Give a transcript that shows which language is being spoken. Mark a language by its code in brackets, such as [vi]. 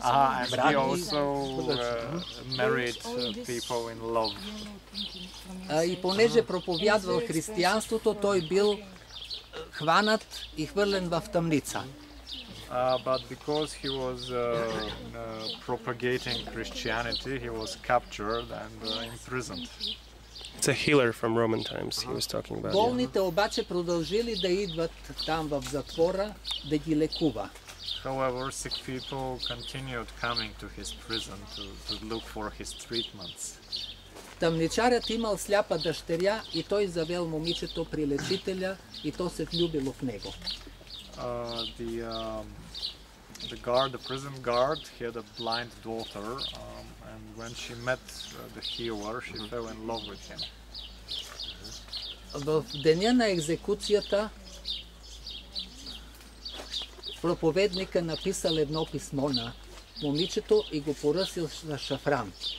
[en] And he also married people in love. [bg] И понеже проповядвал християнството, той бил хванат и хвърлен в тъмница. [en] But because he was propagating Christianity, he was captured and imprisoned. It's a healer from Roman times he was talking about. [bg] Болните обаче продължили да идват там в затвора да ги лекува. [en] However, sick people continued coming to his prison to look for his treatments. [bg] Тъмничарят имал сляпа дъщеря и той завел момичето при лечителя и то се влюбило в него. [en] The the guard, the prison guard, had a blind daughter, and when she met the healer, she fell in love with him. [bg] В деня на екзекуцията проповедника написал едно писмо на момичето и го поръсил на шафран.